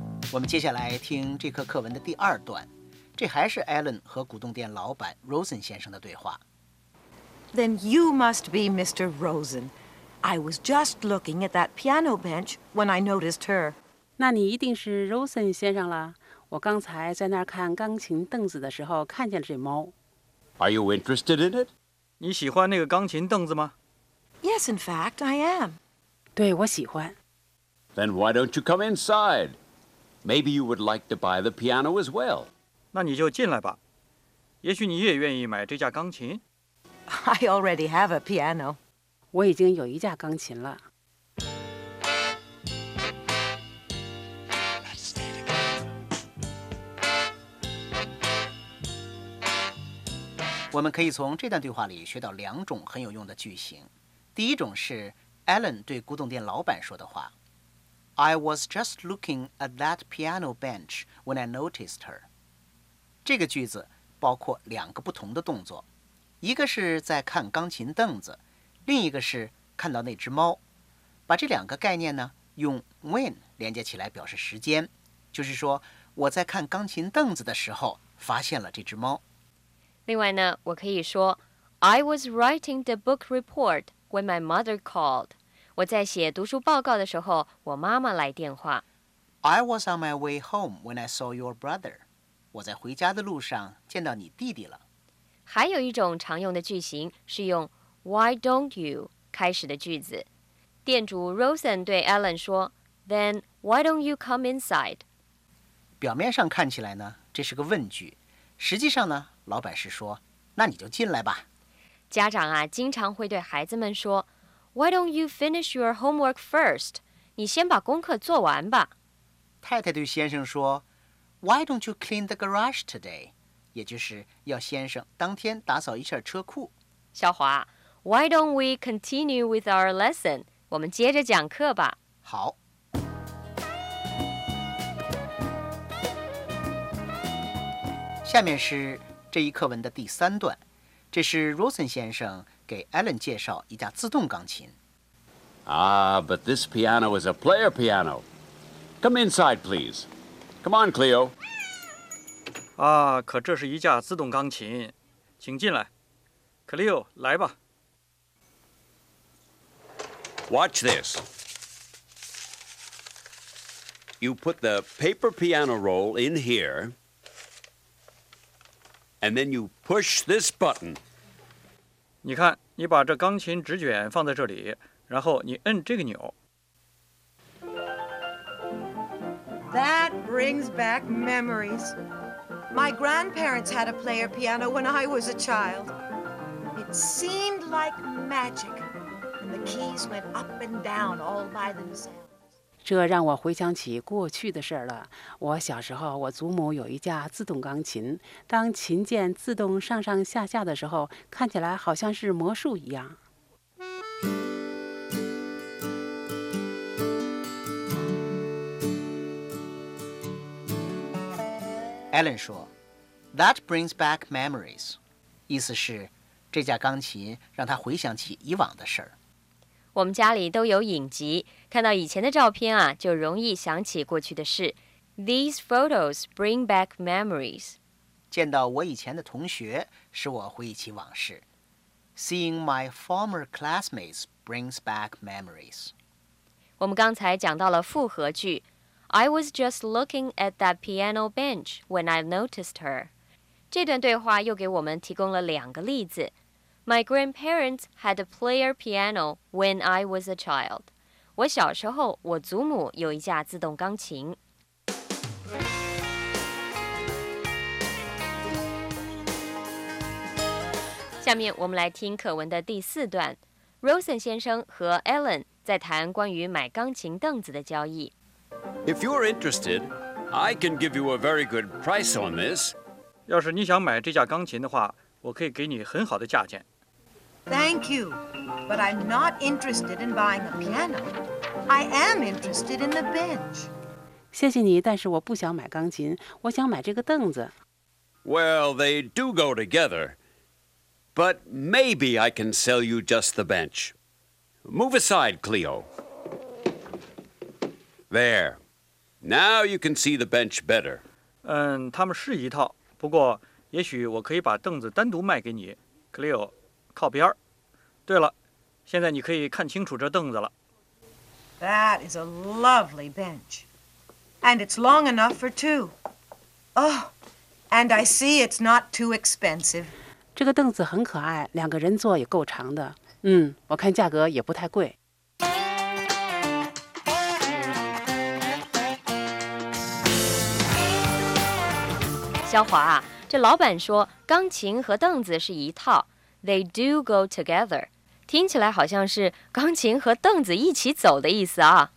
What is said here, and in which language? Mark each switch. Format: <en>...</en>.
<zh>我们接下来听这课课文的第二段。这还是 Alan 和古董店老板 Rosen 先生的对话。</zh> <en>Then you must be Mr. Rosen. I was just looking at that piano bench when I noticed her.</en> <zh>那你一定是 Rosen 先生了。我刚才在那儿看钢琴凳子的时候看见了这猫。</zh> <en>Are you interested in it?</en> <zh>你喜欢那个钢琴凳子吗？</zh> <en>Yes, in fact, I am.</en> <zh>对，我喜欢。</zh> <en>Then why don't you come inside? Maybe you would like to buy the piano as well.</en> <zh>那你就进来吧。也许你也愿意买这架钢琴。</zh> <en>I already have a piano.</en> <zh>我已经有一架钢琴了。我们可以从这段对话里学到两种很有用的句型。第一种是 Alan 对古董店老板说的话。 I was just looking at that piano bench when I noticed her. 这个句子包括两个不同的动作，一个是在看钢琴凳子，另一个是看到那只猫。把这两个概念呢，用 when 连接起来表示时间，就是说我在看钢琴凳子的时候发现了这只猫。另外呢，我可以说</zh> <en>I was writing the book report when my mother called.</en> <zh>我在写读书报告的时候，我妈妈来电话。</zh> <en>I was on my way home when I saw your brother.</en> <zh>我在回家的路上见到你弟弟了。还有一种常用的句型是用</zh> <en>Why don't you</en> <zh>开始的句子。店主 Rosen 对 Alan 说</zh> <en>Then why don't you come inside?</en> <zh>表面上看起来呢，这是个问句。实际上呢，老板是说那你就进来吧。家长啊，经常会对孩子们说</zh> <en>Why don't you finish your homework first?</en> <zh>你先把功课做完吧。太太对先生说</zh> <en>Why don't you clean the garage today?</en> <zh>也就是要先生当天打扫一下车库。</zh> <en>小华 Why don't we continue with our lesson?</en> <zh>我们接着讲课吧。好。下面是这一课文的第三段。这是 Rosen 先生给 Alan 介绍一架自动钢琴。</zh> <en>Ah, but this piano is a player piano. Come inside, please. Come on, Cleo.</en> <zh>啊，可这是一架自动钢琴，请进来。 Cleo, 来吧。</zh> <en>Watch this. You put the paper piano roll in here, and then you push this button.</en> <zh>你看，你把这钢琴纸卷放在这里，然后你摁这个钮。</zh> <en>That brings back memories. My grandparents had a player piano when I was a child. It seemed like magic, and the keys went up and down all by themselves.</en> <zh>这让我回想起过去的事了。我小时候，我祖母有一架自动钢琴，当琴键自动上上下下的时候，看起来好像是魔术一样。 Alan 说 ，</zh> <en>That brings back memories，</en> <zh>意思是这架钢琴让他回想起以往的事儿。我们家里都有影集，看到以前的照片啊，就容易想起过去的事。</zh> <en>These photos bring back memories.</en> <zh>见到我以前的同学，使我回忆起往事。</zh> <en>Seeing my former classmates brings back memories.</en> <zh>我们刚才讲到了复合句。</zh> <en>I was just looking at that piano bench when I noticed her.</en> <zh>这段对话又给我们提供了两个例子。</zh> <en>My grandparents had a player piano when I was a child.</en> <zh>我小时候，我祖母有一架自动钢琴。下面我们来听课文的第四段。Rosen 先生和 Alan 在谈关于买钢琴凳子的交易。</zh> <en>If you're interested, I can give you a very good price on this.</en> <zh>要是你想买这架钢琴的话，我可以给你很好的价钱。</zh> <en>Thank you, but I'm not interested in buying a piano. I am interested in the bench.</en> <zh>谢谢你，但是我不想买钢琴，我想买这个凳子。</zh> <en>Well, they do go together, but maybe I can sell you just the bench. Move aside, Cleo. There. Now you can see the bench better.</en> <zh>嗯，他们是一套，不过，也许我可以把凳子单独卖给你 ，Cleo， 靠边。对了，现在你可以看清楚这凳子了。</zh> <en>That is a lovely bench, and it's long enough for two. Oh, and I see it's not too expensive.</en> <zh>这个凳子很可爱，两个人坐也够长的。嗯，我看价格也不太贵。肖华啊，这老板说钢琴和凳子是一套 ，</zh> <en>they do go together，</en> <zh>听起来好像是钢琴和凳子一起走的意思啊。</zh>